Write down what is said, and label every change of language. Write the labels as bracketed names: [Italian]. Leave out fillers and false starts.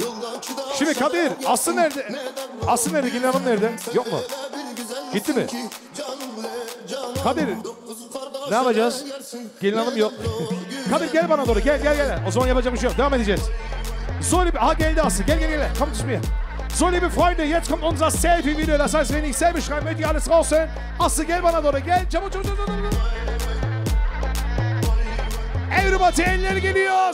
[Turkish] Yolda ki daha şimdi Kadir, Aslı nerede? Aslı nerede? Gül Hanım nerede? Yok mu? Gitti mi? Kadir, ne yapacağız? Gül Hanım yok. Kadir gel bana doğru, gel gel gel. O zaman yapacak bir şey yok, devam edeceğiz. Zoli, ha geldi Aslı, gel gel gel. [German] Komm zu mir. So liebe Freunde, jetzt kommt unser Selfie-Video. Das heißt, wenn ich selber schreiben möchte, alles raushören. [Turkish] Achso, gel bana doğru, gel. Çabuk, çabuk, çabuk, çabuk. Everybody, elleri geliyor.